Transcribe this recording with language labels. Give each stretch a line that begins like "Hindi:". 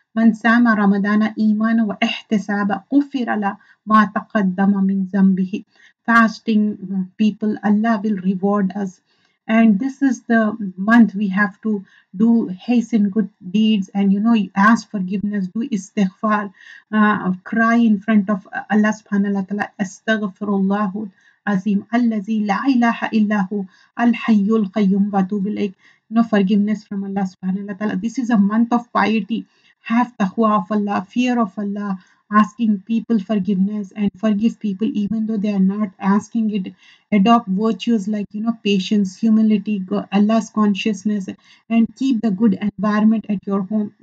Arabic: من سام رمضان إيمان واحتساب قفر على ما تقدم من ذنبه.
English: Fasting people, Allah will reward us. And this is the month we have to do hasten good deeds and ask forgiveness, do istighfar, cry in front of Allah subhanahu wa ta'ala.
Arabic: أستغفرالله العظيم الذي لا إله إلا هو الحي القيوم وأتوب إليه.
English: Forgiveness from Allah subhanahu wa ta'ala. This is a month of piety. Have taqwa of Allah, fear of Allah, asking people forgiveness and forgive people even though they are not asking it. Adopt virtues like, patience, humility, Allah's consciousness, and keep the good environment at your home.